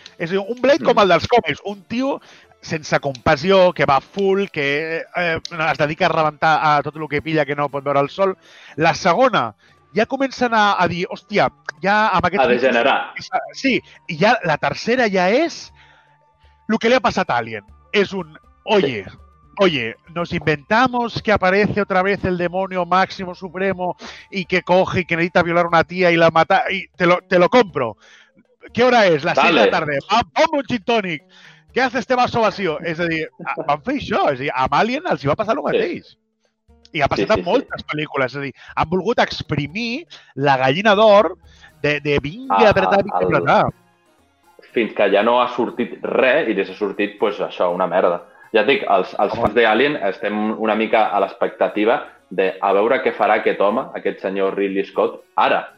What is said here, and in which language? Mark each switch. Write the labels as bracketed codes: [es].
[ca] És a dir, un Blade com el dels còmics. Un tio sense compassió, que va full, que es dedica a rebentar a tot el que pilla, que no pot veure el sol. La segona, ja comencen a dir, hòstia, ja amb aquest... A degenerar. Sí, i ja la tercera ja és el que li ha passat a Alien. És un, oye... Sí. [es] Oye, nos inventamos que aparece otra vez el demonio máximo supremo y que coge y que necesita violar a una tía y la mata. Y te lo compro. ¿Qué hora es? Las 6 de la tarde. ¡Pongo un gin tonic! ¿Qué hace este vaso vacío? Es decir, [ca] van fer això. [es] Es decir, [ca] amb Alien els hi va passar el mateix. I ha passat amb moltes pel·lícules. És a dir, han volgut exprimir la gallina d'or de vingui a dretar, vingui a dretar. Fins que ja no ha sortit res i des ha sortit, pues, això, una merda. Ja et dic, els fans d'Alien estem una mica a l'expectativa de a veure què farà aquest home, aquest senyor Ridley Scott, ara.